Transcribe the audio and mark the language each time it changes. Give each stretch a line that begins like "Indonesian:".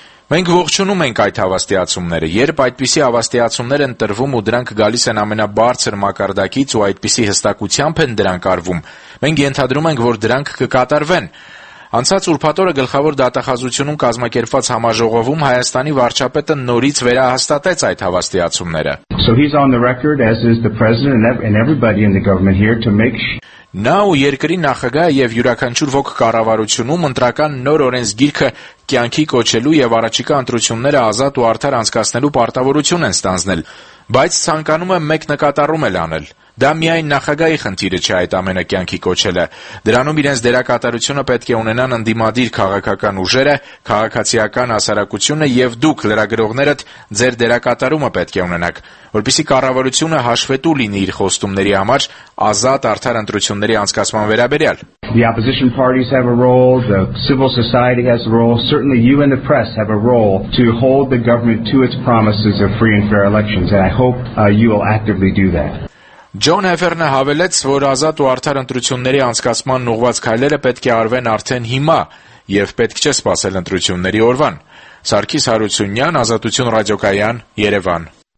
Armenian: Մենք ողջունում ենք այդ հավաստիացումները, երբ այդպիսի հավաստիացումներ են տրվում ու դրանք գալիս են ամենաբարձր մակարդակից ու այդպիսի հստակությամբ են դրանք արվում, մենք ենթադրում ենք, որ դրանք կկատարվեն։ Անցած ուրբաթորը գլխավոր դատախազությունում կազմակերպված համաժողովում Հայաստանի վարչապետը նորից վերահաստատեց այդ հավաստիացումները.
English: So he's on the record, as is the president and everybody in the government here, to make sure.
Armenian: Նա ու երկրի նախագահը եւ յուրաքանչյուր ոք կառավարությունում ընտրական նոր օրենսգիրքը կյանքի կոչելու եւ առաջիկա ընտրությունները ազատ ու արդար անցկացնելու պարտավորություն են ստանձնել, բայց ցանկանում եմ մեկ նկատառում էլ անել։ Դա միայն նախագահի խնդիրը չէ այդ ամենը կյանքի կոչելը, դրանում իրենց դերակատարությունը պետք է ունենան ընդդիմադիր քաղաքական ուժերը, քաղաքացիական հասարակությունը եւ դուք լրագրողներդ ձեր դերակատարումը պետք է ունենաք, որպեսզի կառավարությունը հաշվետու լինի իր խոստումների համար ազատ արդար ընտրությունների անցկացման վերաբերյալ։
English: The opposition parties have a role, the civil society has a role, certainly you and the press have a role to hold the government to its promises of free and fair elections, and I hope you will actively do that.
Armenian: Ջոն Հեֆերնը հավելեց, որ ազատ ու արդար ընտրությունների անցկացման ուղղված քայլերը պետք է արվեն արդեն հիմա, եւ պետք չէ սпасել ընտրությունների օրվան։ Սարգիս Հարությունյան, Ազատություն ռադիոկայան, Երևան։